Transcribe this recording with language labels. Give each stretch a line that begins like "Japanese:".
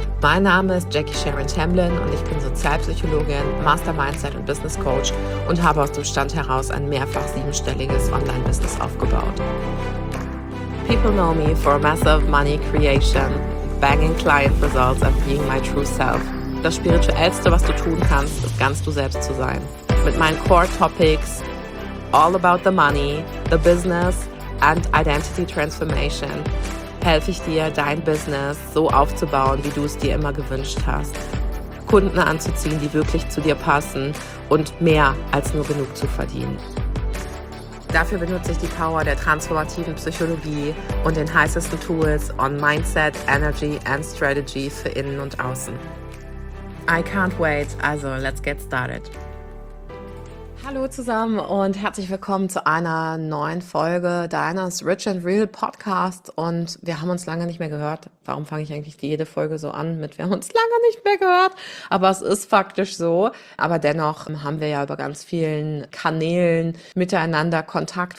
German: Mein Name ist Jackie Sharon Tamblyn und ich bin Sozialpsychologin, Master Mindset und Business Coach und habe aus dem Stand heraus ein mehrfach siebenstelliges Online-Business aufgebaut.
English: People know me for massive money creation, banging client results and being my true self.
German: Das Spirituellste, was du tun kannst, ist ganz du selbst zu sein. Mit meinen Core Topics,
English: all about the money, the business and identity transformation,
German: helfe ich dir, dein Business so aufzubauen, wie du es dir immer gewünscht hast. Kunden anzuziehen, die wirklich zu dir passen und mehr als nur genug zu verdienen. Dafür benutze ich die Power der transformativen Psychologie und den heißesten Tools
English: on Mindset, Energy and Strategy
German: für innen und außen.
English: I can't wait, also let's get started.
German: Hallo zusammen und herzlich willkommen zu einer neuen Folge deines Rich and Real Podcast. Und wir haben uns lange nicht mehr gehört. Warum fange ich eigentlich jede Folge so an mit wir haben uns lange nicht mehr gehört? Aber es ist faktisch so. Aber dennoch haben wir ja über ganz vielen Kanälen miteinander Kontakt.